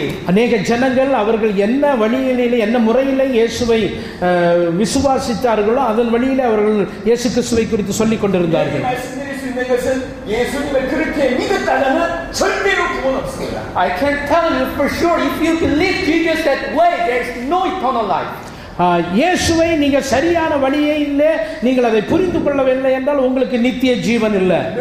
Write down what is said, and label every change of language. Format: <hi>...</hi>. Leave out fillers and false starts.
<ta>அநேக ஜனங்கள் அவர்கள் என்ன வழியிலே என்ன முறையிலே இயேசுவை விசுவாசித்தார்களோ அதன் வழியிலே அவர்கள் இயேசு கிறிஸ்துவை குறித்து சொல்லிக் கொண்டிருந்தார்கள்.</ta> <ko>있는 것은 예수님을 그렇게 믿었다면 절대로 구원 없습니다.</ko> <en>I can tell you for sure if you believe Jesus that way, there's no eternal life.</en> <ko>예수의</ko> <ta>நீங்க சரியான வழியே இல்ல நீங்கள் அதை புரிந்து கொள்ளவில்லை என்றால் உங்களுக்கு நித்திய ஜீவன் இல்ல</ta>